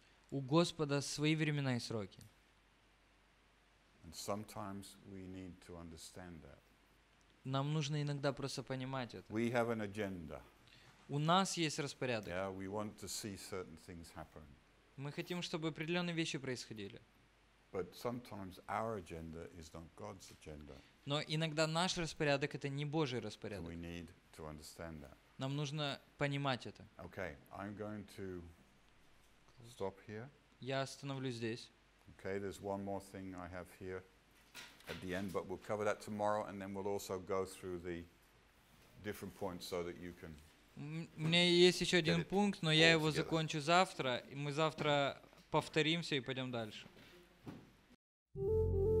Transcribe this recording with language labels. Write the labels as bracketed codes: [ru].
[ru] У Господа свои времена и сроки. [en] And sometimes we need to understand that. [ru] Нам нужно иногда просто понимать это. [en] We have an agenda. [ru] У нас есть распорядок. [en] Yeah, we want to see certain things happen. [ru] Мы хотим, чтобы определенные вещи происходили. [en] But sometimes our agenda is not God's agenda. [ru] Но иногда наш распорядок — это не Божий распорядок. [en] We need to understand that. [ru] Нам нужно понимать это. [en] Okay, I'm going to stop here. [ru] Я остановлюсь здесь. [en] Okay, there's one more thing I have here at the end, but we'll cover that tomorrow, and then we'll also go through the different points so that you can. [ru] У меня есть еще один пункт, но я его закончу завтра, и мы завтра повторимся и пойдем дальше. [en] Thank you.